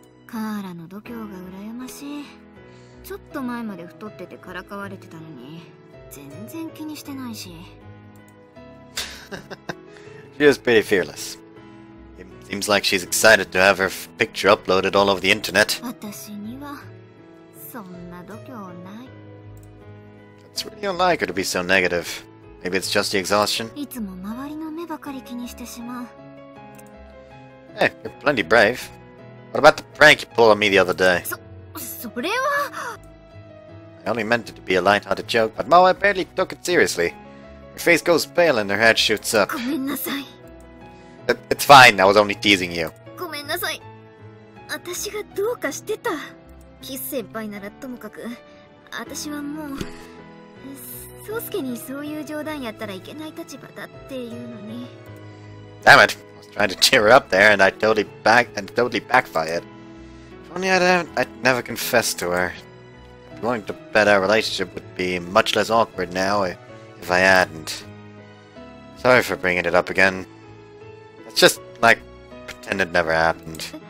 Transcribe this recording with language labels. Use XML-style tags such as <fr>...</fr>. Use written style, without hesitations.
<ja>カーラの度胸が羨ましい。ちょっと前まで太っててからかわれてたのに、全然気にしてないし。</ja> <en>She is pretty fearless. It seems like she's excited to have her picture uploaded all over the internet.</en> <ja>私にはそんな度胸ない。</ja> <en>It's really unlike her to be so negative. Maybe it's just the exhaustion.</en> <ja>いつも周りの目ばかり気にしてしまう。</ja> <en>Hey, you're plenty brave. What about the prank you pulled on me the other day?</en> <ja>それは…</ja> <en>I only meant it to be a light-hearted joke, but Maho apparently took it seriously. Her face goes pale and her head shoots up.</en> <ja>ごめんなさい。</ja> <en>It's fine, I was only teasing you.</en> <ja>ごめんなさい。私がどうかしてた。キス先輩ならともかく、私はもう…ソウスケにそういう冗談やったらいけない立場だっていうのに。</ja> <en>Damn it! I was trying to cheer her up there, and I totally backfired. If only I'd never confessed to her. I'm going to bet our relationship would be much less awkward now if I hadn't. Sorry for bringing it up again. Let's just, like, pretend it never happened.</en>